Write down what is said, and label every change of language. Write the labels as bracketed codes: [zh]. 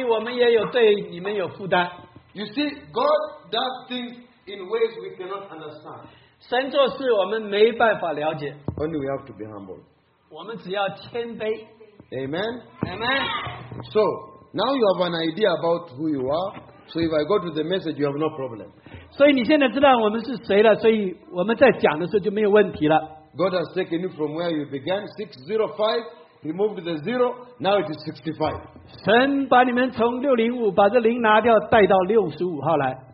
[zh] 神给Mary有对于中国的负担，所以我们也有对你们有负担。 [en] You see, God does things in ways we cannot understand. [zh] 神做事我们没办法了解。 [en] Only we have to be humble. [zh] 我们只要谦卑。 [en] Amen. Amen. So now you have an idea about who you are. So if I go to the message, you have no problem. [zh] 所以你现在知道我们是谁了，所以我们在讲的时候就没有问题了。 [en] God has taken you from where you began, 605, removed the zero, now it is 65. [zh] 神把你们从605把这零拿掉，带到65号来。